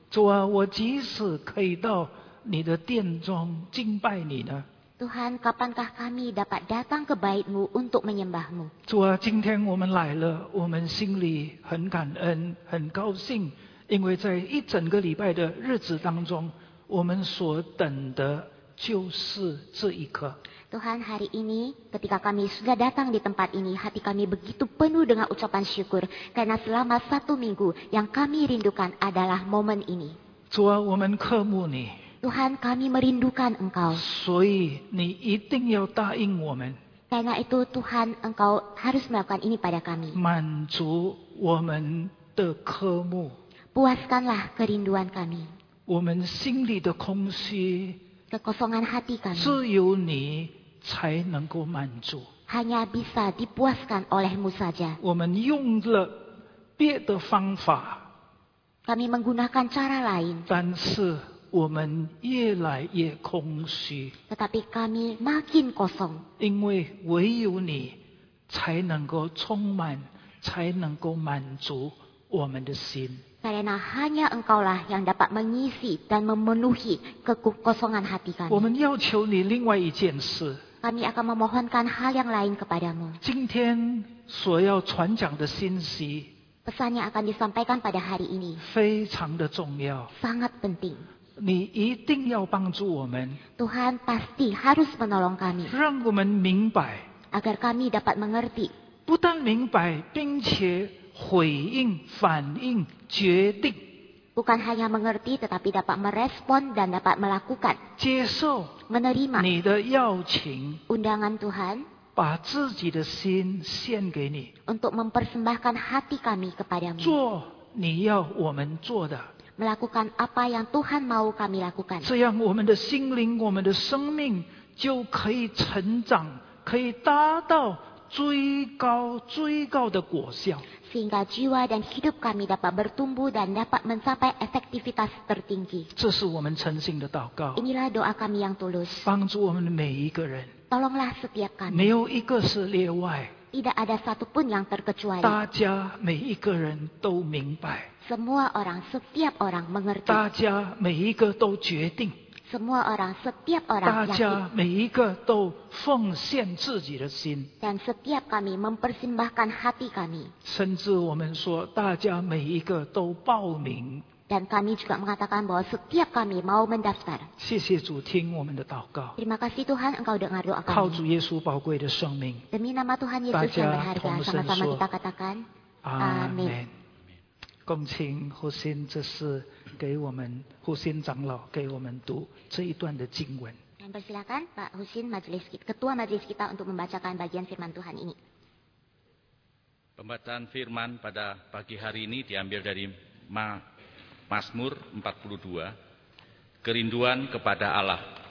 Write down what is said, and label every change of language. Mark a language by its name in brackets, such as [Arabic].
[Chinese] 主啊，我即使可以到你的殿中敬拜你呢？ [Indonesian] Tuhan, kapankah kami dapat datang ke baitmu untuk menyembahmu? [Chinese] 主啊，今天我们来了，我们心里很感恩，很高兴，因为在一整个礼拜的日子当中，我们所等的就是这一刻。 [Indonesian] Tuhan, hari ini ketika kami sudah datang di tempat ini, hati kami begitu penuh dengan ucapan syukur, karena selama satu minggu yang kami rindukan adalah momen ini. [Chinese] 主啊，我们渴慕你。 [Indonesian] Tuhan, kami merindukan Engkau. [Chinese] 所以你一定要答应我们。 [Indonesian] Karena itu, Tuhan, Engkau harus melakukan ini pada kami. [Chinese] 满足我们的渴慕。 [Indonesian] Puaskanlah kerinduan kami. [Chinese] 我们心里的空虚。 [Indonesian] Kekosongan hati kami. [Chinese] 只有你才能够满足。 [Indonesian] Hanya bisa dipuaskan olehmu saja. [Chinese] 我们用了别的方法。 [Indonesian] Kami menggunakan cara lain. [Chinese] 但是我们越来越空虚。 [Indonesian] Tetapi kami makin kosong. [Chinese] 因为唯有你才能够充满，才能够满足我们的心。 [Indonesian] Karena hanya Engkaulah yang dapat mengisi dan memenuhi kekosongan hati kami. [Chinese] 我们要求你另外一件事。 [Indonesian] Kami akan memohonkan hal yang lain kepadamu. [Chinese] 今天所要传讲的信息。 [Indonesian] Pesan yang akan disampaikan pada hari ini. [Chinese] 非常的重要。 [Indonesian] Sangat penting. [Chinese] 你一定要帮助我们。 [Indonesian] Tuhan pasti harus menolong kami. [Chinese] 让我们明白。 [Indonesian] Agar kami dapat mengerti. [Chinese] 不但明白，并且回应、反应、决定。 [Indonesian] Bukan hanya mengerti, tetapi dapat merespon dan dapat melakukan. [Chinese] 接受。 [Indonesian] Menerima. [Chinese] 你的邀请。 [Indonesian] Undangan Tuhan. [Chinese] 把自己的心献给你。 [Indonesian] Untuk mempersembahkan hati kami kepadamu. [Chinese] 做你要我们做的。 [Indonesian] Melakukan apa yang Tuhan mau kami lakukan. [Chinese] 这样我们的心灵，我们的生命就可以成长，可以达到最高最高的果效。 [Indonesian] Sehingga jiwa dan hidup kami dapat bertumbuh dan dapat mencapai efektivitas tertinggi. [Chinese] 这是我们诚心的祷告。 [Indonesian] Inilah doa kami yang tulus. [Chinese] 帮助我们每一个人。 [Indonesian] Tolonglah setiap kami. [Chinese] 没有一个是例外。 [Indonesian] Tidak ada satupun yang terkecuali. [Chinese] 大家每一个人都明白。 [Indonesian] Semua orang, setiap orang mengerti. [Chinese] 大家每一个都决定。 [Indonesian] Semua orang, setiap orang yakin. [Chinese] 大家每一个都奉献自己的心。 [Indonesian] Dan setiap kami mempersembahkan hati kami. [Chinese] 甚至我们说，大家每一个都报名。 [Indonesian] Dan kami juga mengatakan bahwa setiap kami mau mendaftar. [Chinese] 谢谢主听我们的祷告。 [Indonesian] Terima kasih Tuhan, Engkau dengar doa kami. [Chinese] 靠主耶稣宝贵的生命。 [Indonesian] Demi nama Tuhan Yesus yang berharga, sama-sama kita katakan. [Chinese] Amin. 恭请胡欣这是给我们胡新长老给我们读这一段的经文。 [Indonesian] Dan persilakan Pak Husin, majelis, ketua majelis kita untuk membacakan bagian firman Tuhan ini. Pembacaan firman pada pagi hari ini diambil dari Mazmur 42, kerinduan kepada Allah.